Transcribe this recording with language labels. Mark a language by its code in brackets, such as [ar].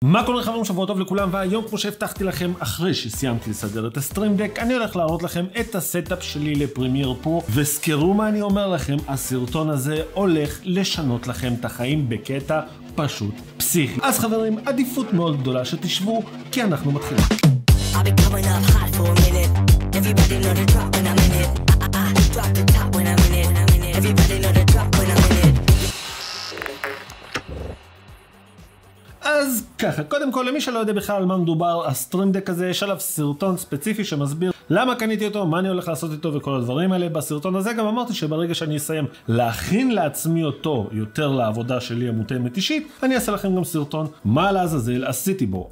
[he] מה קורה חברים, שבוע טוב לכולם, והיום כמו שהבטחתי לכם אחרי שסיימתי לסדר את הסטרים דק, אני הולך להראות לכם את הסטאפ שלי לפרימייר פרו, וזכרו מה אני אומר לכם, הסרטון הזה הולך לשנות לכם את החיים בקטע פשוט פסיכי. אז חברים, עדיפות מאוד גדולה שתשבו, כי אנחנו מתחילים. [en] I've been coming up hot for a minute, everybody know to drop when I'm in it, I drop the top when I'm in it, everybody know to drop when I'm in it. [he] אז ככה, קודם כל למי שלא יודע בכלל על מה מדובר, הסטרים דק הזה, יש עליו סרטון ספציפי שמסביר למה קניתי אותו, מה אני הולך לעשות איתו וכל הדברים האלה. בסרטון הזה גם אמרתי שברגע שאני אסיים להכין לעצמי אותו יותר לעבודה שלי המותאמת אישית, אני אעשה לכם גם סרטון מה לעזאזל עשיתי בו.